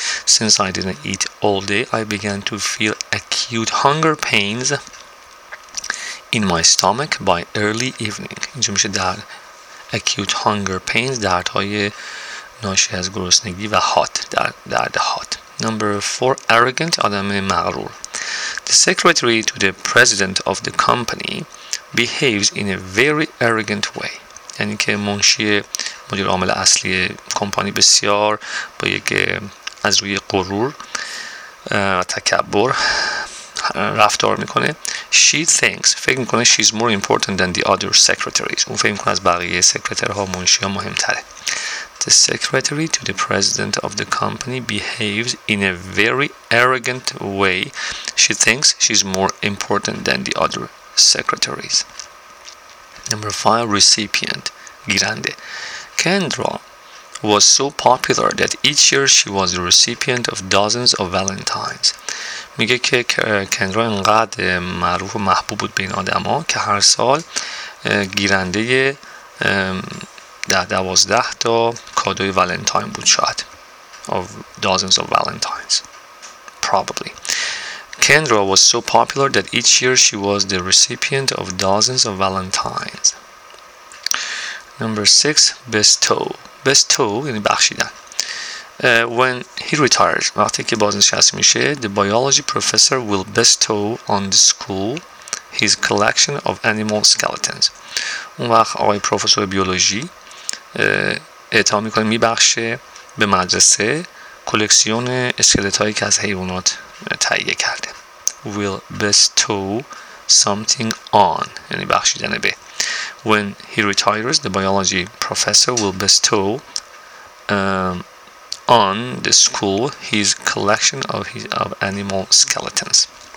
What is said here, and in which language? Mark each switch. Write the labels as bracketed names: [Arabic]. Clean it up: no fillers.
[English] Since I didn't eat all day, I began to feel acute hunger pains in my stomach by early evening. [Persian] اینجا میشه در [English] acute hunger pains, [Persian] دردهای ناشی از گرسنگی و hot, درد hot. [English] Number 4, arrogant, [Persian] آدم مغرور. [English] The secretary to the president of the company behaves in a very arrogant way. [Persian] یعنی که منشی مدیر عامل اصلی کمپانی بسیار با یک از روی غرور و تکبر رفتار میکنه. [English] She thinks, [Persian] فکر میکنه, [English] she's more important than the other secretaries. [Persian] اون فکر میکنه از بقیه سکرتر ها منشی ها مهم تره. [English] The secretary to the president of the company behaves in a very arrogant way. She thinks she's more important than the other secretaries. Number 5, recipient, گیرنده. Kendra was so popular that each year she was the recipient of dozens of valentines. [Persian] میگه که کندرا انقدر معروف و محبوب بود بین آدما که هر سال گیرنده ده دوازده تا کادوی ولنتاین بود, شاید [English] of dozens of valentines probably. Kendra was so popular that each year she was the recipient of dozens of valentines. Number 6, bestow, [Persian] یعنی بخشیدن. [English] When he retires, [Persian] وقتی که بازنشسته میشه, [English] the biology professor will bestow on the school his collection of animal skeletons. [Persian] اون وقت آقای پروفسور بیولوژی اعطا میکنه, میبخشه به مدرسه کلکسیون اسکلت هایی که از حیوانات تهیه کرده. [English] Will bestow something on, [Persian] یعنی بخشیدن به. [English] When he retires, the biology professor will bestow on the school his collection of animal skeletons.